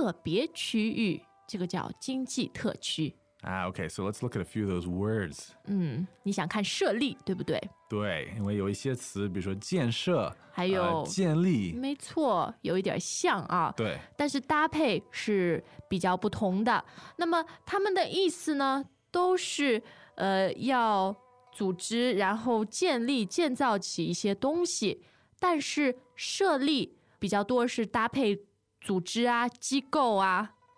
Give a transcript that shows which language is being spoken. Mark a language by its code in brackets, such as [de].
[zh] 一会儿是特区，一会儿是开放城市。其实大家只要记住国家为什么要设立这些特区就行了。太好了，终于可以少记一点东西了。现在我可以很好的解释经济特区，它就是国家为了发展经济和吸引外资而设立的特别区域，这个叫经济特区。 [en] Okay, so let's look at a few of those words. [zh] 你想看设立，对不对？对，因为有一些词，比如说建设，还有建立，没错，有一点像啊。对，但是搭配是比较不同的。那么它们的意思呢，都是要组织，然后建立、建造起一些东西，但是设立比较多是搭配组织啊、机构啊。